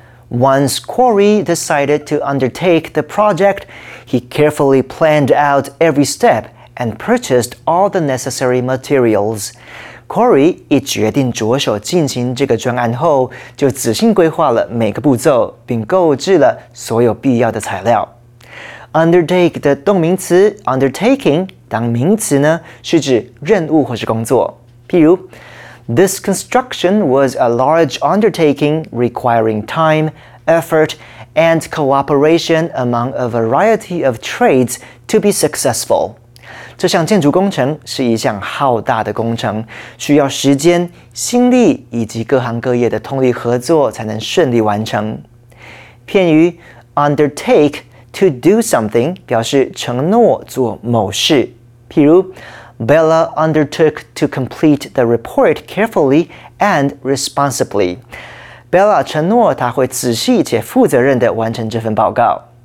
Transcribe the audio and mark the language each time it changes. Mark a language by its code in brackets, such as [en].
[en] Once Corey decided to undertake the project, he carefully planned out every step and purchased all the necessary materials. [zh] Corey 一决定着手进行这个专案后，就仔细规划了每个步骤，并购置了所有必要的材料。 Undertake 的动名词 undertaking 当名词呢，是指任务或是工作。譬如 [en] This construction was a large undertaking requiring time, effort, and cooperation among a variety of trades to be successful. [zh] 这项建筑工程是一项浩大的工程，需要时间、心力以及各行各业的通力合作才能顺利完成。 [en] 片语 undertake to do something [zh] 表示承诺做某事，譬如 [en] Bella undertook to complete the report carefully and responsibly. [zh] Bella 承诺她会仔细且负责任地完成这份报告。